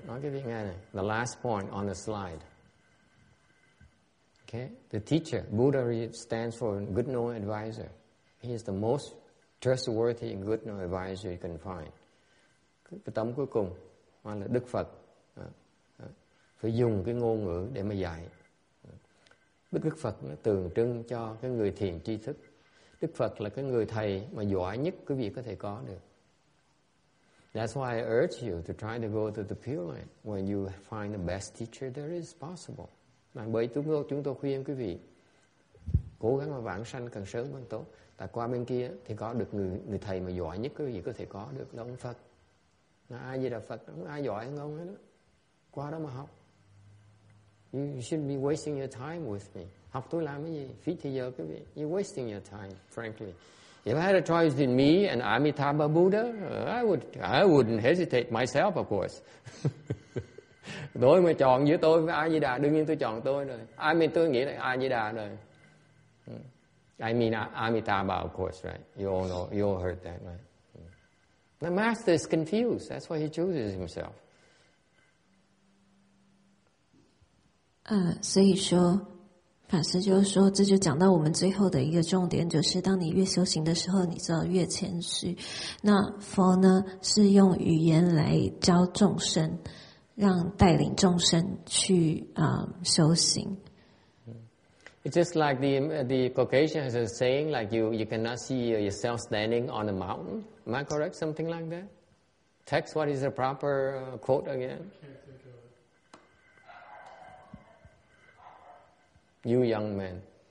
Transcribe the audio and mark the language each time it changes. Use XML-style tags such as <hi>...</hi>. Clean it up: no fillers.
<en>I'll give you again the last point on the slide. Okay? The teacher, Buddha, stands for good knowing advisor. He is the most trustworthy and good knowing advisor you can find.</en> <vi>Cái tấm cuối cùng, hoặc là Đức Phật, phải dùng cái ngôn ngữ để mà dạy. Đức Phật nó tượng trưng cho cái người thiền tri thức. Đức Phật là cái người thầy mà giỏi nhất quý vị có thể có được.</vi> <en>That's why I urge you to try to go to the Pure Land when you find the best teacher there is possible.</en> <vi>Bởi chúng tôi khuyên quý vị cố gắng mà vãng sanh càng sớm càng tốt. Tại qua bên kia thì có được người thầy mà giỏi nhất quý vị có thể có được là ông Phật. Là ai gì là Phật, không ai giỏi hơn ông ấy đó. Qua đó mà học.</vi> <en>You shouldn't be wasting your time with me.</en> <vi>Học tôi làm cái gì? Phí thời giờ quý vị.</vi> <en>You're wasting your time, frankly. If I had a choice between me and Amitabha Buddha, I wouldn't hesitate myself, of course.</en> <vi>Tôi mà chọn giữa tôi với A-di-đà, đương nhiên tôi chọn tôi rồi.</vi> <en>I mean,</en> <vi>tôi nghĩ là A-di-đà rồi.</vi> <en>I mean Amitabha, of course, right? You all heard that, right? The master is confused. That's why he chooses himself.</en> <zh>所以说。法师就说，这就讲到我们最后的一个重点，就是当你越修行的时候，你知道越谦虚。那佛呢，是用语言来教众生，让带领众生去修行。</zh> <en>It's just like the Caucasian has a saying, like you cannot see yourself standing on a mountain. Am I correct? Something like that. Text, what is the proper quote again? You young man.</en>